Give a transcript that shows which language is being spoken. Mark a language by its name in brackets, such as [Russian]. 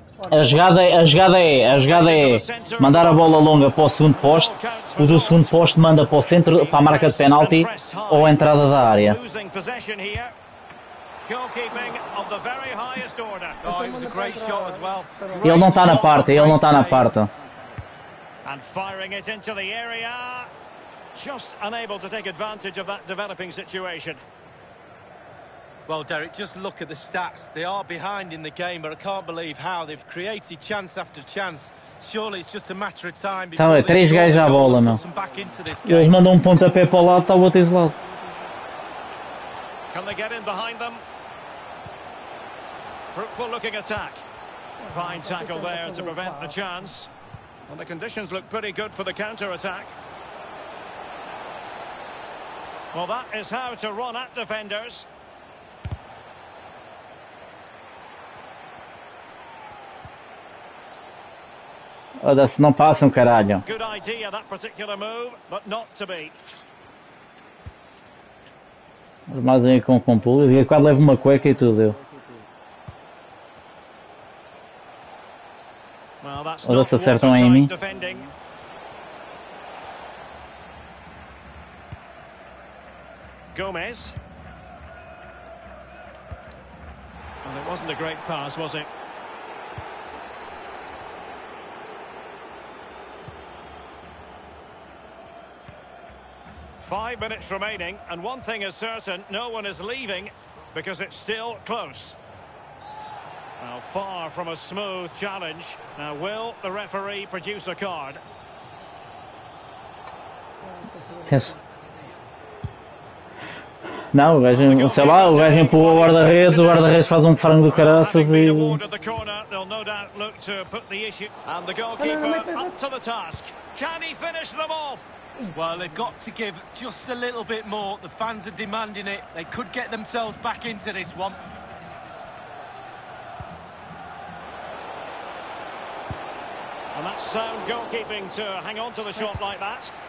[Portuguese] A jogada é mandar a bola longa para o segundo poste, o do segundo poste manda para o centro, para a marca de penalti ou a entrada da área. Ele não está na parte, ele não está na parte. [English] And firing it into the area, just unable to take advantage of that developing situation. Well, Derek, just look at the stats. They are behind in the game, but I can't believe how they've created chance after chance. Surely it's just a matter of time before they three guys [Portuguese] a bola, meu. Eles mandam pontapé para o lado, está o outro lado. [English] Can they get in behind them? Fruitful looking attack. Fine tackle there to prevent the chance. And the conditions look pretty good for the counter attack. Well, that is how to run at defenders. [Portuguese] Olha, se não passam, caralho. [English] Good idea, that particular move, but not to be. [Portuguese] Mas aí com pulo, e quase leva uma cueca e tudo. [English] Well, that's not certain, Amy. Defending. Gomez. And it wasn't a great pass, was it? Five minutes remaining, and one thing is certain, no one is leaving because it's still close. Now, far from a smooth challenge. Now, will the referee produce a card? Yes. [Portuguese] Não, o gajo, sei lá, o gajo empurra o guarda-redes faz um frango do caraças e... [English] Well, they've got to give just a little bit more. The fans are demanding it. They could get themselves back into this one. And that's sound goalkeeping to hang on to the shot like that.